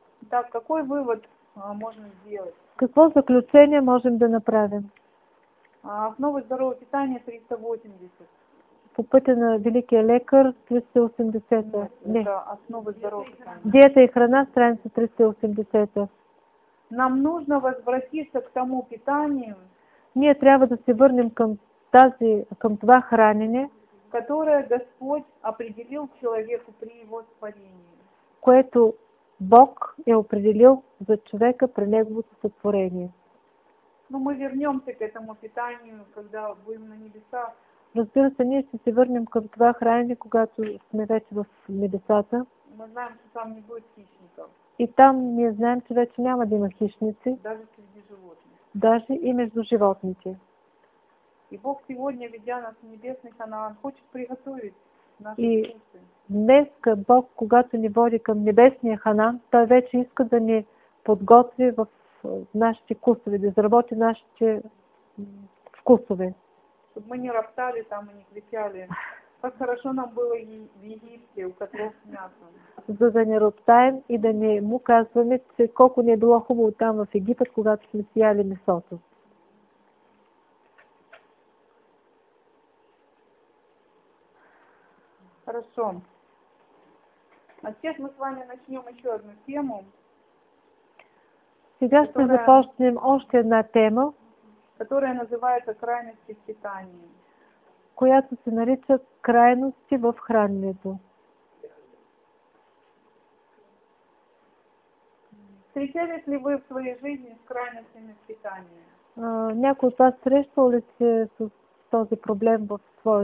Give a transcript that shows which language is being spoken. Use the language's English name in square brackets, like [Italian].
[Russian] Так, какой вывод можно сделать? [Bulgarian] Какво заключение можем да направим? [Russian] Основы здорового питания 380. [Bulgarian] По пътя на великия лекар 380. [Russian] Не, это основы здорового питания. [Bulgarian] Диета и храна, страница 380. [Russian] Нам нужно возвратиться к тому питанию. [Bulgarian] Ние трябва да се върнем към това хранение, [Russian] которое Господь определил человеку при его сотворении. [Bulgarian] Което Бог е определил за човека при неговото сътворение. [Russian] Но мы вернемся к этому питанию, когда будем на небеса. [Bulgarian] Разбира се, ние ще се върнем към това хранение, когато сме вече в небесата. [Russian] Мы знаем, что там не будет хищников. [Bulgarian] И там ние знаем, че вече няма да има хищници. [Russian] Даже среди животных. [Bulgarian] Даже и между животните. [Russian] И Бог сегодня, ведя нас в небесный Ханаан, хочет приготовить. [Bulgarian] И днес Бог, когато ни води към небесния Ханаан, Той вече иска да ни подготви в нашите вкусове, да изработи нашите вкусове. [Russian] Чтобы мы не роптали там и не кричали. Как хорошо нам было и в Египте, у котлов мясо. [Bulgarian] За да не роптаем и да не му казваме, че колко ни е било хубаво там в Египет, когато сме сияли месото. [Russian] Хорошо. А сейчас мы с вами начнем еще одну тему. [Bulgarian] Сега ще започнем още една тема, [Russian] которая называется крайности в питании. [Bulgarian] Която се нарича крайности в храненето. [Russian] Встречались ли вы в своей жизни с крайностями в питании? [Bulgarian] Някой от вас срещал ли се с този проблем в своя